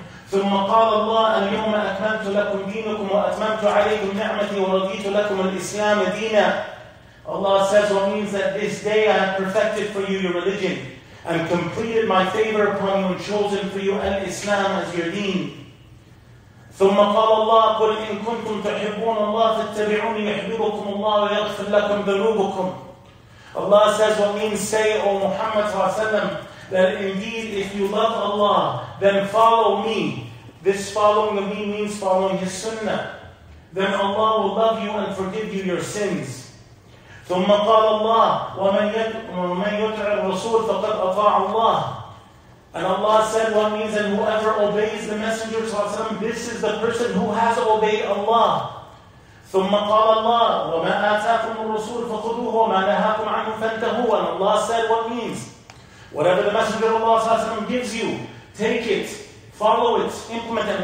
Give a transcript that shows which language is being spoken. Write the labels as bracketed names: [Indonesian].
[Arabic] ثُمَّ قَالَ اللَّهُ الْيَوْمَ أَكْمَلْتُ لَكُمْ دِينَكُمْ وَأَتْمَمْتُ عَلَيْكُمْ نِعْمَتِي وَرَضِيتُ لَكُمْ الْإِسْلَامَ دِينًا. [English] Allah says, what means that this day I have perfected for you your religion and completed my favor upon you and chosen for you al-Islam as your deen. [Arabic] ثم قال الله قل إن كنتم تحبون الله فاتبعوني يحببكم الله ويغفر لكم ذنوبكم. [English] Allah says, what means say, O Muhammad ﷺ, that indeed if you love Allah, then follow me. This following of me means following His Sunnah. Then Allah will love you and forgive you your sins. [Arabic] ثم قال الله ومن يطع الرسول فقد أطاع الله. [English] And Allah said, what means, and whoever obeys the Messenger ﷺ, this is the person who has obeyed Allah. [Arabic] ثُمَّ قَالَ اللَّهُ وَمَا آتَاكُمُ الرَّسُولُ فَخُذُوهُ وَمَا نَهَاكُمْ عَنْهُ فَانْتَهُوا. [English] And Allah said, what means, whatever the Messenger of Allah ﷺ gives you, take it, follow it, implement it.